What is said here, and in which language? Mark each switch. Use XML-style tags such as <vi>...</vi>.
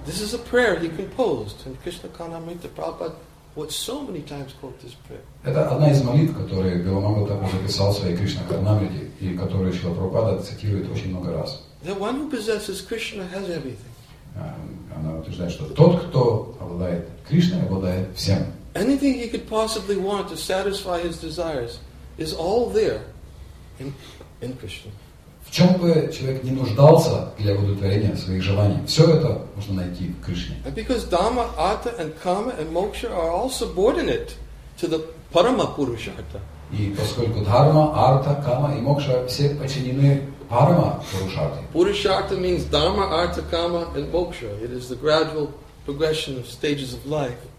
<en>This is a prayer he composed in Krishna Karnamrita. Prabhupada would so many times quote this prayer.</en> <ru>Это одна из молитв, которые Билла Мангала Такур записал в своей Кришна Карнамрите, и которую Шрила Прабхупада цитирует очень много раз.</ru> <en>That one who possesses Krishna has everything.</en> <ru>Она утверждает, что тот, кто обладает Кришной, обладает всем.</ru> <en>Anything he could possibly want to satisfy his desires is all there in Krishna.</en> <ru>В чем бы человек не нуждался для удовлетворения своих желаний, все это можно найти в Кришне.</ru> <en>And because dhamma, artha, and karma, and moksha are all subordinate to the parama purusharta.</en> <ru>И поскольку дхарма, артха, кама и мокша все подчинены парама пурушарте.</ru> <en>Purusharta means dhamma, artha, kama, and moksha. It is the gradual progression of stages of life.</en>